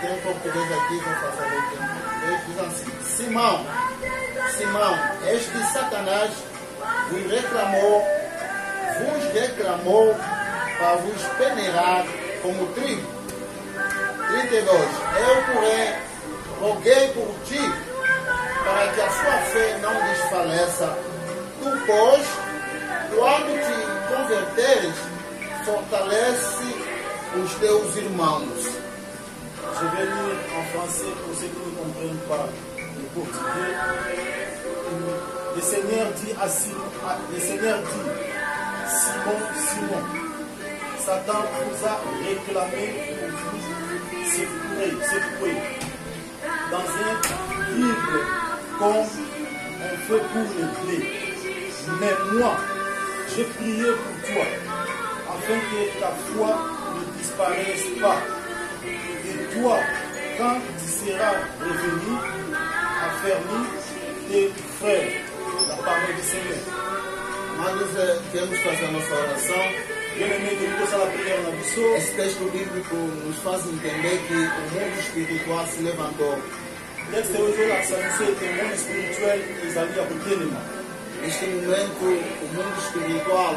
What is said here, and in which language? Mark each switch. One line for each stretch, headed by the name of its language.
Portuguese: Tem português aqui, vou fazer leitura em português. Diz assim: Simão, Simão, este Satanás vos reclamou para vos peneirar como trigo. 32. Eu, porém, roguei por ti para que a sua fé não desfaleça. Tu, pois, quando te converteres, fortalece os teus irmãos.
French: Je vais lire en français pour ceux qui ne comprennent pas le portugais. Le Seigneur dit à Simon, Simon, Simon, Satan vous a réclamé pour vous secouer dans un livre comme on fait pour les blés. Mais moi, j'ai prié pour toi, afin que ta foi ne disparaisse pas. Et toi, quand tu seras revenu, affermis tes frères, la parole du Seigneur.
Portuguese: Mas nós devemos fazer a nossa oração. Primeiramente, eu vou fazer a oração. Esse texto bíblico nos faz entender que o mundo espiritual se levantou. Neste hoje, eu acredito que o mundo espiritual está ali a botânima. Neste momento, o mundo espiritual.